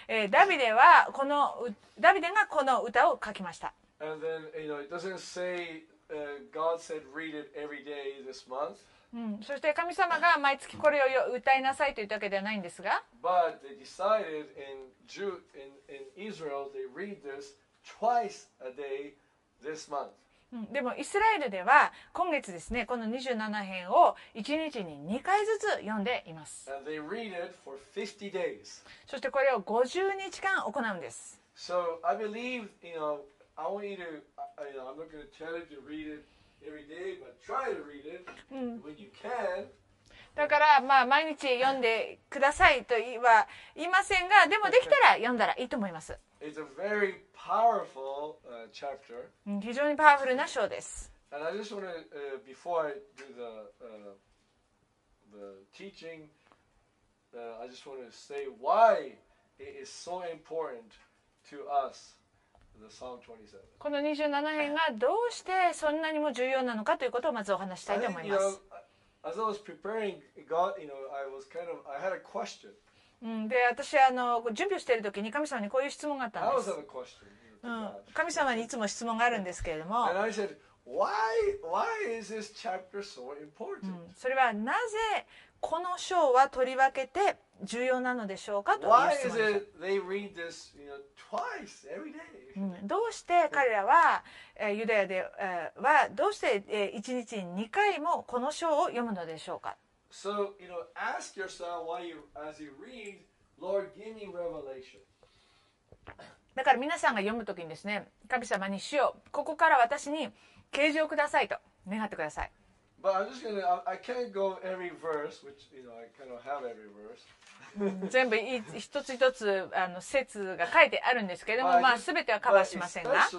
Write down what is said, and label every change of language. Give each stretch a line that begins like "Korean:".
Japanese: ダビデがこの歌を書きました。
English: And then, it doesn't say, God said, read it every day this month.
Japanese: そして神様が毎月これを歌いなさいと言ったわけではないんですが。
English: But they decided in Israel, they read this twice a day this month.
Japanese: でもイスラエルでは今月ですね、この27編を1日に2回ずつ読んでいます。
English: And they read it for 50 days.
Japanese: そしてこれを50日間行うんです。
English: So I believe, I want you to, I'm not going to tell you to read it every day, but try to read it when you can.
Japanese: だからまあ毎日読んでくださいとは言いませんが、でもできたら読んだらいいと思います。
English: It's a very powerful chapter.
Japanese: 非常にパワフルな章です。
English: And I just want to, before I do the teaching, I just want to say why it is so important to us, the Psalm 27.
Japanese: この27編がどうしてそんなにも重要なのかということをまずお話したいと思います。
English: As I was preparing, God, I was kind of, I had a question.
Japanese: で、私準備をしている時に神様にこういう質問があったんです。
English: I always have a question.
Japanese: 神様にいつも質問があるんですけれども。
English: And I said, why is this chapter so important?
Japanese: それはなぜこの章はとりわけて重要なのでしょうかという質問。
English: Why is it they read this, twice every day?
Japanese: どうして彼らは、ユダヤでは、どうして1日に2回もこの章を読むのでしょうか。
English: So, ask yourself why you, as you read, Lord, give me revelation.
Japanese: だから皆さんが読むときにですね、神様に主よ、ここから私に啓示をくださいと願ってください。
English: But I'm just gonna, I can't go every verse, which, I kind of have every verse.
Japanese: 全部一つ一つ節が書いてあるんですけれども、まあ全てはカバーしませんが。